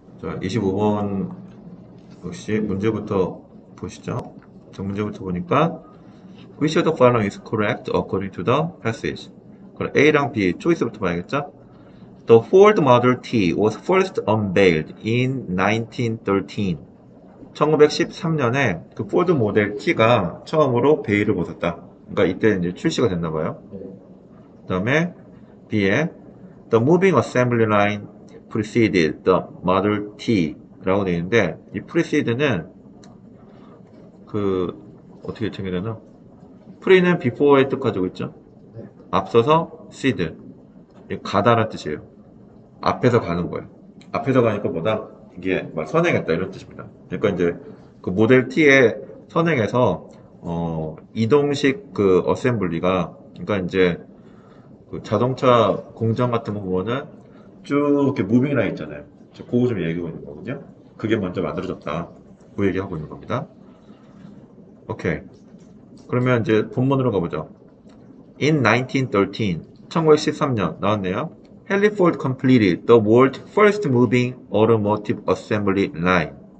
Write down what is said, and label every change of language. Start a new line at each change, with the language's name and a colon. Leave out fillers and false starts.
Korean: 자, 25번 역시 문제부터 보시죠. 자, 문제부터 보니까
English: Which of the following is correct according to the passage?
Korean: 그럼 A랑 B 초이스부터 봐야겠죠?
English: The Ford Model T was first unveiled in 1913.
Korean: 1913년에 그 포드 모델 T가 처음으로 베일을 벗었다. 그러니까 이때 이제 출시가 됐나 봐요. 그다음에 B에
English: The moving assembly line preceded the Model T
Korean: 라고 되어 있는데 이 preceded는 그 어떻게 정해야 되나? pre는 before의 뜻 가지고 있죠. 앞서서 seed. 가다라는 뜻이에요. 앞에서 가는 거예요. 앞에서 가니까 뭐다? 이게 막 선행했다 이런 뜻입니다. 그러니까 이제 그 모델 T에 선행해서 이동식 그 어셈블리가 그러니까 이제 그 자동차 공정 같은 거 보면은 쭉 이렇게 무빙 라인 있잖아요. 저 그거 좀 얘기하고 있는 거거든요. 그게 먼저 만들어졌다. 그 얘기하고 있는 겁니다. 오케이. 그러면 이제 본문으로 가보죠.
English: In 1913,
Korean: 1913년 나왔네요.
English: Henry Ford completed the world's first moving automotive assembly line.